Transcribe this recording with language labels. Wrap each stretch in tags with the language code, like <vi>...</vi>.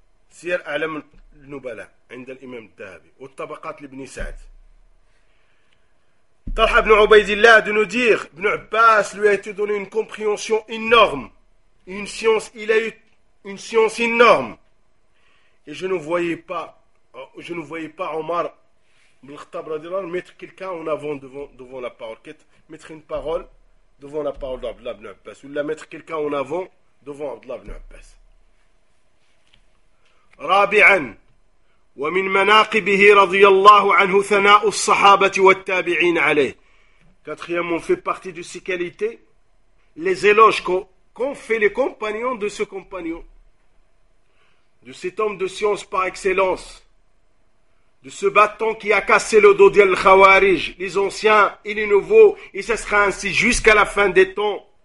<ar>Sir a'lam النبلاء عند الإمام الذهبي والطبقات لابن سعد.</ar> <fr>طلحة بن عبيد الله de nous dire ابن عباس lui a été donné une compréhension énorme, une science, il a eu une science énorme. Et je ne voyais pas Omar ibn al-Khattab</fr> <ar>radiallahu anhu</ar> <fr>mettre quelqu'un en avant devant la parole, mettre une parole devant la parole d'Abdullah ibn Abbas, ou la mettre quelqu'un en avant devant Abdullah ibn Abbas.</fr> <ar>رابعا ومن مناقبه رضي الله عنه ثناء الصحابة والتابعين عليه.</ar> <fr>Quatrièmement, fait partie de ses qualités, les éloges qu'ont fait les compagnons de ce compagnon, de cet homme de science par excellence, de ce bâton qui a cassé le dos des Khawarij, les anciens et les nouveaux, et ce sera ainsi jusqu'à la fin des temps.</fr>